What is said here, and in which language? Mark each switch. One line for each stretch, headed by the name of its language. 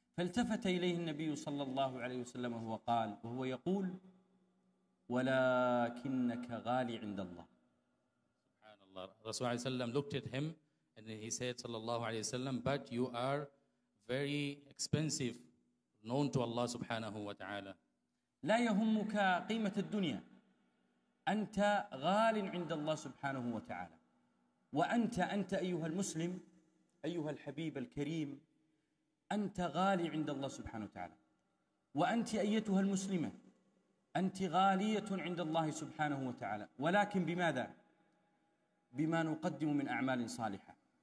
Arabic: فالتفت إليه النبي صلى الله عليه وسلم وهو قال وهو يقول ولكنك غالي عند الله. سبحان الله. رسول الله صلى الله عليه وسلم
English: looked at him and he said
Arabic: صلى الله عليه وسلم
English: but you are very expensive known to Allah
Arabic: سبحانه وتعالى. لا يهمك قيمة الدنيا أنت غال عند الله سبحانه وتعالى وأنت أيها المسلم أيها الحبيب الكريم أنت غالي عند الله سبحانه وتعالى وأنت أيتها المسلمة أنت غالية عند الله سبحانه وتعالى ولكن بماذا؟ بما نقدم من أعمال صالحة